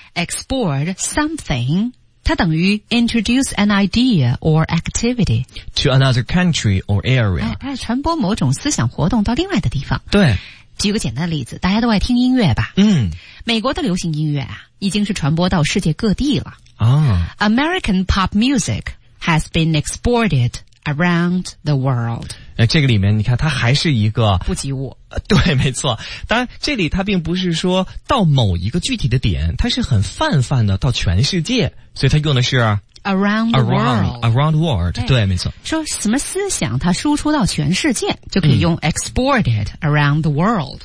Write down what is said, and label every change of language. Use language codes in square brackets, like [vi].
[en] export something, [zh] 它等于 [en] introduce an idea or activity to another country or area. [zh] 哎，传播某种思想活动到另外的地方。对。举个简单的例子，大家都爱听音乐吧。嗯。美国的流行音乐啊已经是传播到世界各地了。啊。 [en] American pop music has been exported around the world. [zh] 这个里面你看它还是一个。不及物。对，没错。当然这里它并不是说到某一个具体的点，它是很泛泛的到全世界。所以它用的是 [en] Around the world, [zh] 对，没错。说什么思想它输出到全世界，就可以用 [en] exported around the world。